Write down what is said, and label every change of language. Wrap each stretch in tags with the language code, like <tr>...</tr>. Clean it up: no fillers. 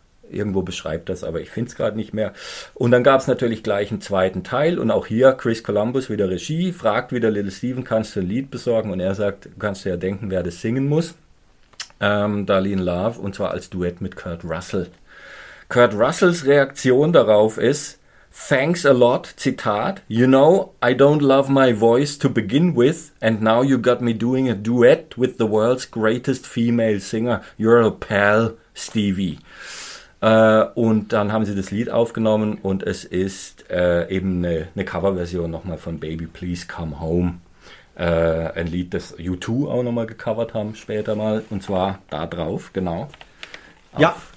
<de>Irgendwo beschreibt das, aber ich finde es gerade nicht mehr. Und dann gab es natürlich gleich einen zweiten Teil. Und auch hier Chris Columbus wieder Regie, fragt wieder Little Steven, kannst du ein Lied besorgen? Und er sagt, kannst du ja denken, wer das singen muss. Darlene Love, und zwar als Duett mit Kurt Russell. Kurt Russells Reaktion darauf ist,</de> <en>thanks a lot, Zitat, you know, I don't love my voice to begin with, and now you got me doing a duet with the world's greatest female singer. You're a pal, Stevie.</en> <de>Und dann haben sie das Lied aufgenommen und es ist eben eine Coverversion nochmal von Baby Please Come Home. Ein Lied, das U2 auch nochmal gecovert haben später mal, und zwar da drauf, genau. Ja.</de>